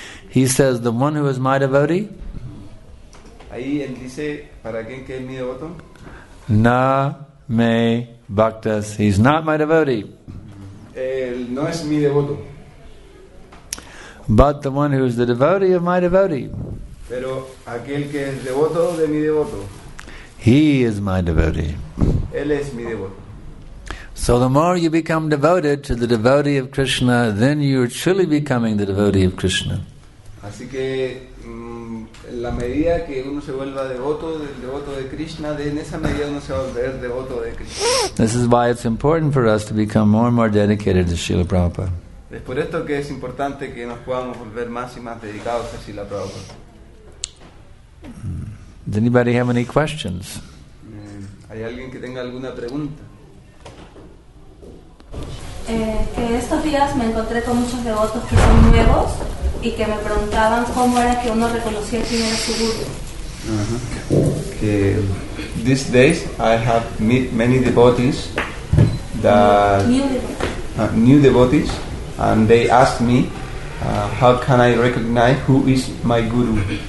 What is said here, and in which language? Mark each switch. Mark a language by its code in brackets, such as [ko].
[en] He says, the one who is my devotee, [es] ahí él dice, ¿para quién que es mi devoto? [sa] Na me bhaktas, [en] he's not my devotee. [es] Él no es mi devoto. [en] But the one who is the devotee of my devotee. [es] Pero aquel que es devoto de mi devoto. [en] He is my devotee. [es] Él es mi devoto. [en] So the more you become devoted to the devotee of Krishna, then you are truly becoming the devotee of Krishna. [es] Así que la medida que uno se vuelva devoto del devoto de Krishna, en esa medida uno se va a volver devoto de Krishna. [en] This is why it's important for us to become more and more dedicated to Srila Prabhupada. [es] Es por esto que es importante que nos podamos volver más y más dedicados a Srila Prabhupada. [en] Does anybody have any questions? [es] ¿Hay alguien que tenga alguna pregunta? Que estos días me encontré con muchos devotos que son nuevos y que me preguntaban cómo era que uno reconocía quién era su guru. [en] These days I have met many devotees that new devotees and they asked me how can I recognize who is my guru.